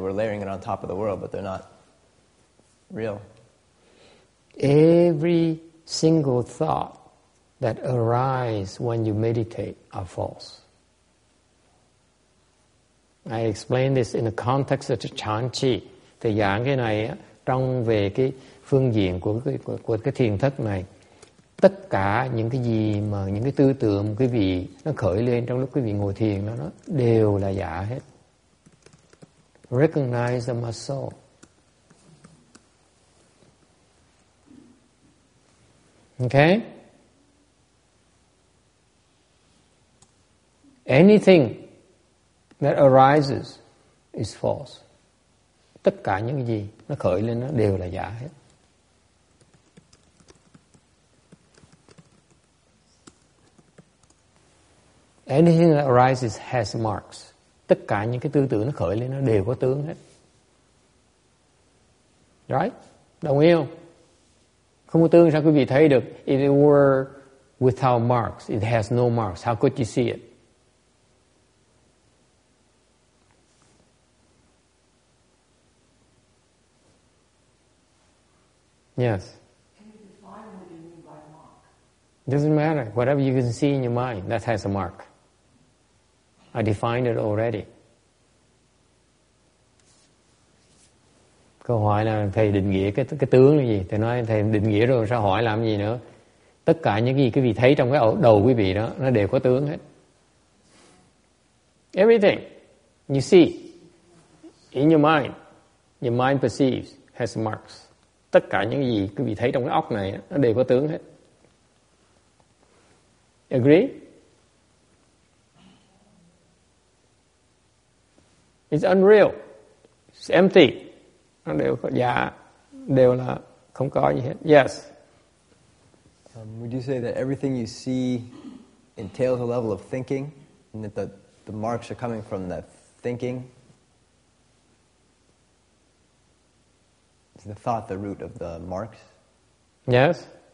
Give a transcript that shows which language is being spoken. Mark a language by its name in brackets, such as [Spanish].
[English] We're layering it on top of the world, but they're not real. Every single thought that arises when you meditate are false. I explain this in the context of Chan Chi. [Vietnamese] Thì giảng cái này trong về cái phương diện của cái thiền thất này. Tất cả những cái gì mà những cái tư tưởng quý vị nó khởi lên trong lúc quý vị ngồi thiền đó, nó đều là giả hết. [English] Recognize them as so. Okay? Anything that arises is false. [Vietnamese] Tất cả những cái gì nó khởi lên nó đều là giả hết. [English] Anything that arises has marks. [Vietnamese] Tất cả những cái tư tưởng nó khởi lên nó đều có tướng hết. Right? Đồng ý không? Không có tướng sao quý vị thấy được? [English] If it were without marks, it has no marks, how could you see it? Yes. Can you define what you mean by mark? Doesn't matter. Whatever you can see in your mind, that has a mark. I defined it already. [Vietnamese] Câu hỏi là thầy định nghĩa cái tướng là gì? Thầy nói thầy định nghĩa rồi sao hỏi làm gì nữa? Tất cả những gì quý vị thấy trong cái đầu quý vị đó, nó đều có tướng hết. [English] Everything you see in your mind perceives has marks. [Vietnamese] Tất cả những gì quý vị thấy trong cái óc này, nó đều có tướng hết. [English] Agree? It's unreal. It's empty. [Vietnamese] Nó đều có giả, đều là không có gì hết. [English] Yes. Would you say that everything you see entails a level of thinking, and that the marks are coming from that thinking? Is the thought the root of the marks? Yes.